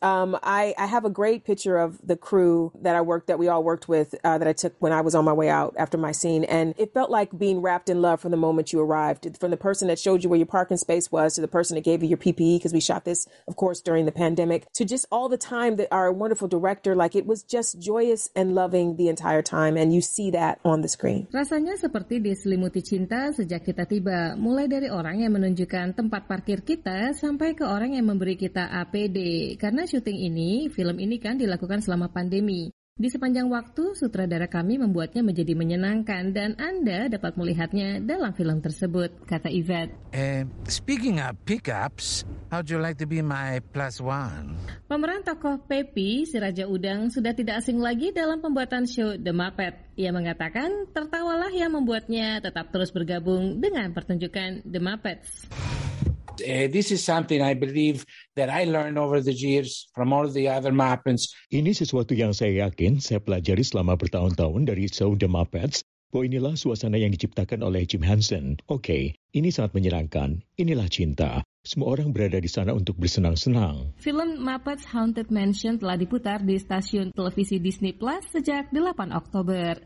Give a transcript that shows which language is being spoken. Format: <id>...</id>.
<en>I have a great picture of the crew that I worked, that we all worked with, that I took when I was on my way out after my scene, and it felt like being wrapped in love from the moment you arrived, from the person that showed you where your parking space was to the person that gave you your PPE, because we shot this, of course, during the pandemic, to just all the time that our wonderful director, like, it was just joyous and loving the entire time, and you see that on the screen.</en> <id>Rasanya seperti diselimuti cinta sejak kita tiba, mulai dari orang yang menunjukkan tempat parkir kita sampai ke orang yang memberi kita APD. Karena syuting ini, film ini kan dilakukan selama pandemi. Di sepanjang waktu, sutradara kami membuatnya menjadi menyenangkan dan Anda dapat melihatnya dalam film tersebut, kata Yvette.</id> <en>Speaking of pickups, how'd you like to be my plus one?</en> <id>Pemeran tokoh Pepe, si Raja Udang, sudah tidak asing lagi dalam pembuatan show The Muppet. Ia mengatakan, tertawalah yang membuatnya tetap terus bergabung dengan pertunjukan The Muppets.</id> <en>This is something I believe that I learned over the years from all the other Muppets.</en> <id>Ini sesuatu yang saya yakin saya pelajari selama bertahun-tahun dari show The Muppets. Oh, inilah suasana yang diciptakan oleh Jim Henson. Okay, ini sangat menyenangkan. Inilah cinta. Semua orang berada di sana untuk bersenang-senang. Film Muppets Haunted Mansion telah diputar di stasiun televisi Disney Plus sejak 8 Oktober.</id>